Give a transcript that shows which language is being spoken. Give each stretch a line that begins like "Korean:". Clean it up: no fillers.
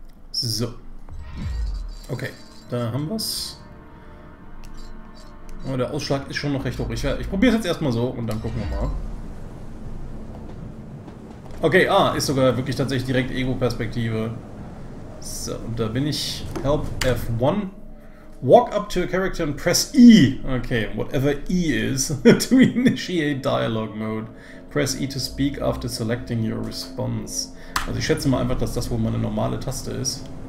German: So. Okay, da haben wir es. Aber der Ausschlag ist schon noch recht hoch. Ich probiere es jetzt erstmal so und dann gucken wir mal. Okay, ah, ist sogar wirklich tatsächlich direkt Ego-Perspektive. So, und da bin ich.
English: Help F1. Walk up to a character and press E. Okay, whatever E is. To initiate dialogue mode. Press E to speak after selecting your response.
German: Also ich schätze mal einfach, dass das wohl mal eine normale Taste ist.